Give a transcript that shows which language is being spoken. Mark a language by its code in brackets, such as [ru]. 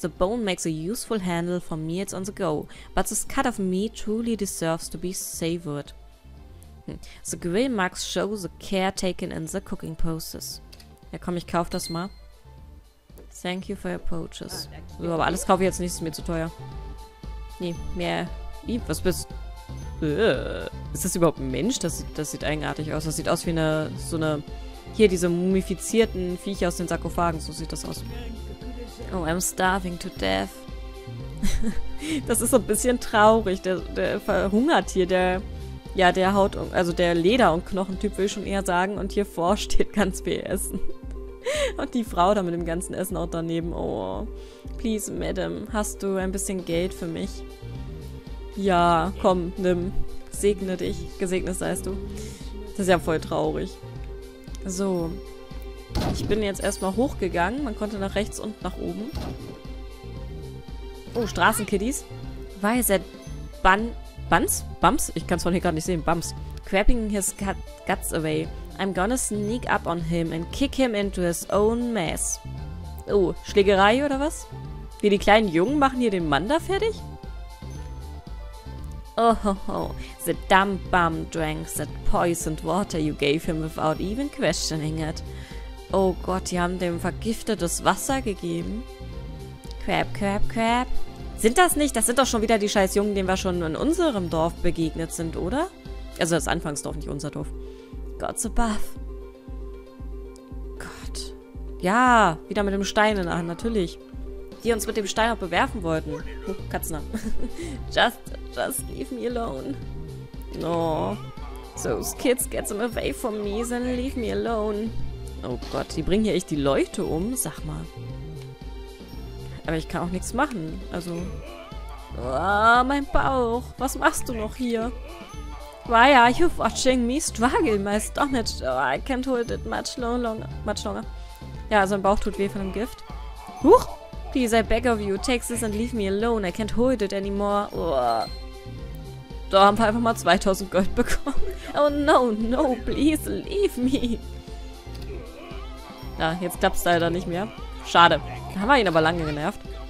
[en] The bone makes a useful handle for meals on the go. But this cut of meat truly deserves to be savored. The grill marks show the care taken in the cooking process. [de] Ja komm, ich kaufe das mal. [en] Thank you for your purchase. [de] So, aber alles kaufe ich jetzt nicht, ist mir zu teuer. Nee, mehr. Wie, was bist du? Ist das überhaupt ein Mensch? Das sieht eigenartig aus. Das sieht aus wie eine, so eine, hier diese mumifizierten Viecher aus den Sarkophagen. So sieht das aus. [en] Oh, I'm starving to death. [de] Das ist so ein bisschen traurig. Der verhungert hier, der... Ja, der Haut, also der Leder- und Knochentyp will ich schon eher sagen. Und hier vor steht ganz viel Essen. Und die Frau da mit dem ganzen Essen auch daneben. [en] Oh, please, Madam, [de] hast du ein bisschen Geld für mich? Ja, komm, nimm. Segne dich. Gesegnet seist du. Das ist ja voll traurig. So. Ich bin jetzt erstmal hochgegangen. Man konnte nach rechts und nach oben. [en] Oh, Straßenkiddies. Why is that bun... Bums? Bums? [de] Ich kann es von hier gerade nicht sehen. [en] Bums. Crapping his guts away. I'm gonna sneak up on him and kick him into his own mess. [de] Oh, Schlägerei oder was? Wie die kleinen Jungen machen hier den Mann da fertig? Oh, oh, oh. [en] The dumb bum drank that poisoned water you gave him without even questioning it. [de] Oh Gott, die haben dem vergiftetes Wasser gegeben. [en] Crap, crap, crap. [de] Sind das nicht? Das sind doch schon wieder die scheiß Jungen, denen wir schon in unserem Dorf begegnet sind, oder? Also das Anfangsdorf, nicht unser Dorf. [en] God's above. [de] Gott. Ja, wieder mit dem Stein in der Hand, natürlich. Die uns mit dem Stein auch bewerfen wollten. [en] Oh, Katzner. Just leave me alone. No. Those kids get them away from me, then leave me alone. [de] Oh Gott, die bringen hier echt die Leute um, sag mal. Aber ich kann auch nichts machen. Also. Oh, mein Bauch. Was machst du noch hier? [en] Why are you watching me struggle? My stomach. Oh, I can't hold it much longer. [de] Ja, also mein Bauch tut weh von dem Gift. [en] Huch! Please, I beg of you. Take this and leave me alone. I can't hold it anymore. [de] Oh. Da haben wir einfach mal 2000 Gold bekommen. [en] Oh no, no, please leave me. [de] Ja, jetzt klappt es leider nicht mehr. Schade. Haben wir ihn aber lange genervt.